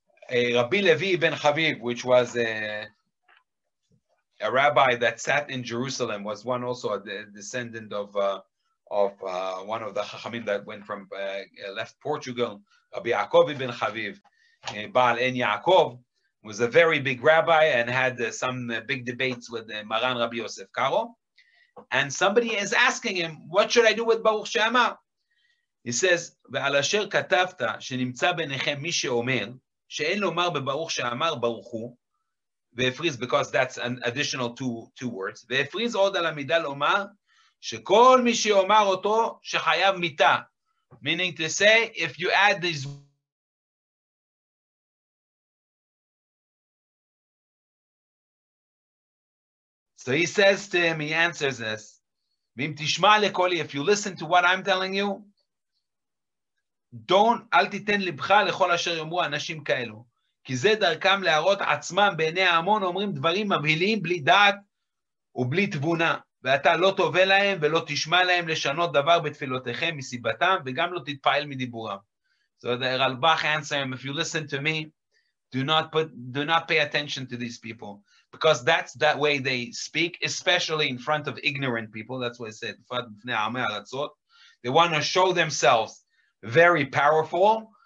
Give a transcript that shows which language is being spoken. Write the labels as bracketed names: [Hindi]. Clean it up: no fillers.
[English] Rabbi Levi ben Chaviv, which was a rabbi that sat in Jerusalem, was one also a descendant of one of the Chachamim that went from left Portugal, Rabbi Yaakov ibn Chaviv, Baal en Yaakov, was a very big rabbi and had some big debates with Maran Rabbi Yosef Karo. And somebody is asking him, what should I do with Baruch Shema? [Hebrew] He says, ועל אשר כתבת שנמצא ביניכם מי שאומר שאין לומר בברוך שאמר ברוך הוא, והפריז, [English] because that's an additional two words, [Hebrew] והפריז עוד על המידה לומר שכל מי שאומר אותו שחייב מיתה. [English] Meaning to say, if you add these words, so he says to him, he answers this, [Hebrew] ואם תשמע לכולי, [English] if you listen to what I'm telling you, don't, [Hebrew] אל תיתן לבך לכל אשר יאמרו אנשים כאלו, כי זה דרכם להראות עצמם בעיני ההמון, אומרים דברים מבהילים בלי דעת ובלי תבונה, ואתה לא תובה להם ולא תשמע להם לשנות דבר בתפילותיכם מסיבתם, וגם לא תתפעל מדיבורם. [English] So the Ralbach answer him, if you listen to me, do not pay attention to these people, because that's that way they speak, especially in front of ignorant people. That's what I said. They want to show themselves very powerful.